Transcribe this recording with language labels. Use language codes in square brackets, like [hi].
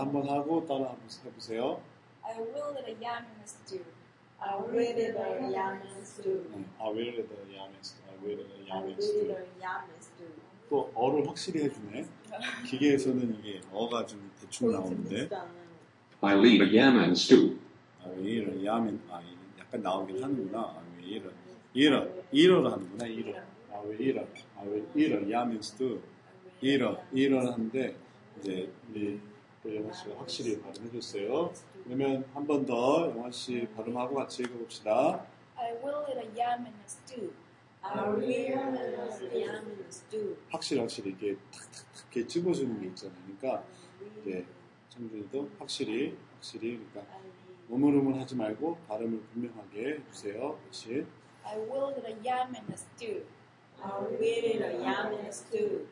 [ko] 한번 하고 따라 한번 해보세요. [en] I will eat a yam and stew. I will eat a yam and stew. 네. I will eat a yam and stew. I will eat a yam and stew. [ko] 또 어를 확실히 해주네. 기계에서는 이게 어가 좀 대충 나오는데. [en] I will eat a yam and stew. I will eat a yam and I [ko] 약간 나오긴 하는구나. [en] I will eat a eat a 하는구나. Eat a. I will eat a yam and stew. Eat a [ko] 하는데 이제 우리 영화 씨가 확실히 발음해줬어요. 그러면 한 번 더 영화 씨 발음하고 같이 읽어봅시다. [en] I will eat a yam and stew. Yam and stew. [ko] 확실히 이게 탁탁탁 이렇게 찍어주는 게 있잖아요. 그러니까 이제 청준이도 확실히 그러니까 우물우물 하지 말고 발음을 분명하게 해주세요. 역시. [en] I will eat a yam and a stew. I will eat a yam and a stew.